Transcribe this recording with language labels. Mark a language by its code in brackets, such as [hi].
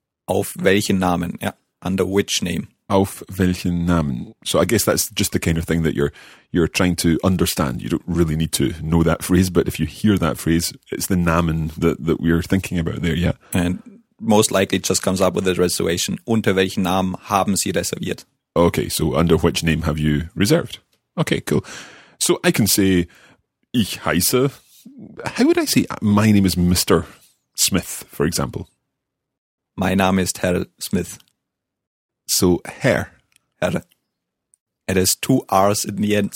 [de] Auf welchen Namen, ja. [en] Under which name. [de] Auf welchen Namen. [en] So I guess that's just the kind of thing that you're trying to understand. You don't really need to know that phrase, but if you hear that phrase, it's the Namen that we're thinking about there, yeah. And most likely just comes up with a reservation. [de] Unter welchen Namen haben Sie reserviert? [en] Okay, so under which name have you reserved? Okay, cool. So I can say, [de] ich heiße. [en] How would I say, my name is Mr. Smith, for example? My name is Herr Smith. So, Herr. Herr. It has two R's in the end.